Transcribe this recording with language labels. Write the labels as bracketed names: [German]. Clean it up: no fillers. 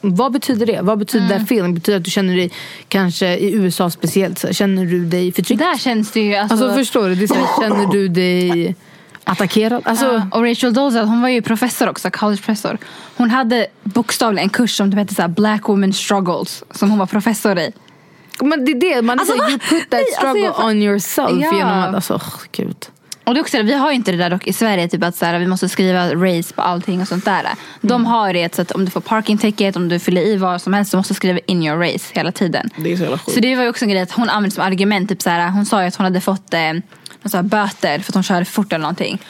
[Swedish] Vad betyder det? Vad betyder [English] that feeling? [Swedish] Betyder det att du känner dig, kanske i USA speciellt, så känner du dig förtryckt? Där känns det ju. Alltså förstår du? Det här, känner du dig attackerad? Alltså, och Rachel Dolezal, hon var ju professor också, college professor. Hon hade bokstavligen en kurs som hette så här, Black Women Struggles, som hon var professor i. Men det är det. Man alltså, [English] you put that struggle on yourself. [Swedish] Ja. Genom att, alltså, gud. Och det också, vi har ju inte det där dock i Sverige, typ att så här, vi måste skriva race på allting och sånt där. De har ju det, så att om du får [English] parking ticket, [Swedish] om du fyller i vad som helst, så måste du skriva in [English] your race [Swedish] hela tiden. Det är så jävla sjukt. Så det var ju också en grej att hon använde som argument, typ så här, hon sa ju att hon hade fått någon så här böter för att hon körde fort eller någonting.